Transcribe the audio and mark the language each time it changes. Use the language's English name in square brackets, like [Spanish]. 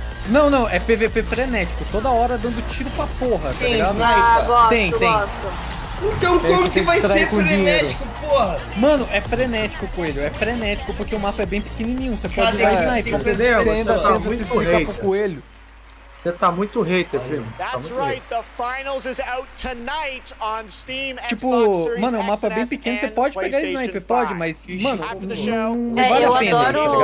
[Portuguese] Não, não, é PVP frenético, toda hora dando tiro pra porra, tá ligado? Ah, gosto, tem. Gosto. Então como que vai ser frenético, porra? Mano, é frenético, coelho, é frenético porque o mapa é bem pequenininho, você pode usar sniper, entendeu? Você ainda tá muito hater pro coelho. Você tá muito hater, primo. [English] That's right, the finals is out tonight on Steam, Xbox. [Portuguese] Tipo, mano, o mapa é bem pequeno, você pode pegar sniper, pode, mas, mano, não vale a pena,